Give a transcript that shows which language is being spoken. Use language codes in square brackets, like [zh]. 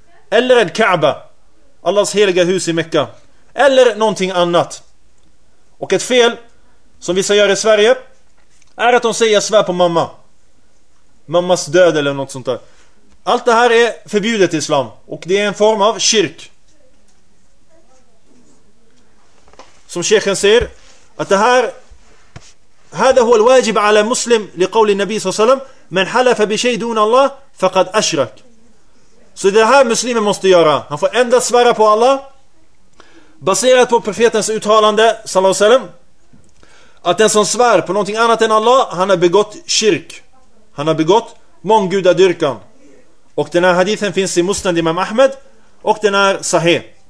[sv] Eller en Kaaba, Allahs heliga hus i Mekka, eller någonting annat. Och ett fel som vissa gör i Sverige är att de säger svär på mamma, mammas död eller något sånt där. Allt det här är förbjudet i islam och det är en form av kyrk. Som sheikhen säger att det här, [ar] هذا هو الواجب على المسلم لقول النبي صلى الله عليه وسلم من حلف بشيء دون الله فقد أشرك. [sv] Så det här muslimen måste göra, han får endast svära på Allah baserat på profetens uttalande sallallahu alaihi wasallam, att den som svär på någonting annat än Allah, han har begått kyrk, han har begått månggudadyrkan. Och den här hadithen finns i Musnad Imam Ahmed och den är sahih.